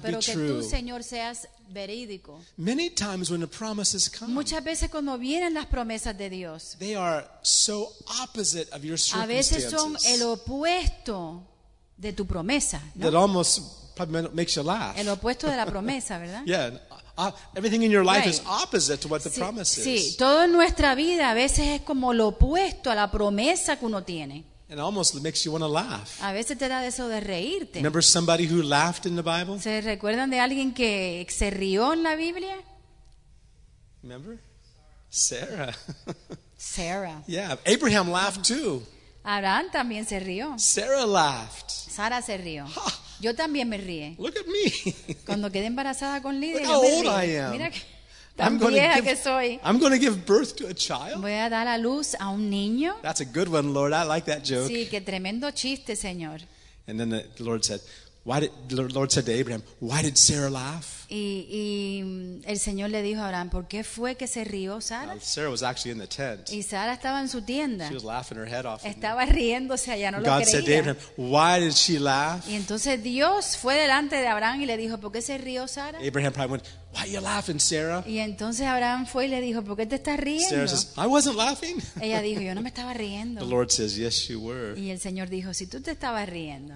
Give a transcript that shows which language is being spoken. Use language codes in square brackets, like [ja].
[es] pero [en] be true. [es] Que tú, Señor, seas verídico. [en] Many times when the promises come, [es] muchas veces cuando vienen las promesas de Dios, [en] they are so opposite of your circumstances. [es] A veces son el opuesto de tu promesa. ¿No? [en] That almost probably makes you laugh. [es] El opuesto de la promesa, ¿verdad? [en] Yeah. Everything in your life is opposite to what the promise is. [es] Sí, todo en nuestra vida a veces es como lo opuesto a la promesa que uno tiene. [en] And almost makes you want to laugh. [es] A veces te da eso de reírte. [en] Remember somebody who laughed in the Bible? [es] ¿Se recuerdan de alguien que se rió en la Biblia? [en] Remember? Sarah. [es] Sarah. [en] Yeah, Abraham laughed too. [es] Abraham también se rió. [en] Sarah laughed. [es] Sara se rió. Yo también me ríe. [en] Look at me. [es] Cuando quedé embarazada con Lidia, [en] look how old I am. [es] Mira que tan vieja que soy. [en] I'm going to give birth to a child. [es] Voy a dar a luz a un niño. [en] That's a good one, Lord. I like that joke. [es] Sí, qué tremendo chiste, Señor. [en] And then the Lord said, the Lord said to Abraham, why did Sarah laugh? [es] Y el Señor le dijo a Abraham, ¿por qué fue que se rió Sara? [en] Now, Sarah was actually in the tent. [es] Y Sara estaba en su tienda. [en] She was laughing her head off. [es] Estaba riéndose allá, no lo creía. [en] God said to Abraham, why did she laugh? [es] Y entonces Dios fue delante de Abraham y le dijo, ¿por qué se rió Sara? [en] Abraham probably went, why are you laughing, Sarah? [es] Y entonces Abraham fue y le dijo, ¿por qué te estás riendo? [en] Sarah says, I wasn't laughing. [es] Ella dijo, yo no me estaba riendo. [en] The Lord says, yes, you were. [es] Y el Señor dijo, si tú te estabas riendo.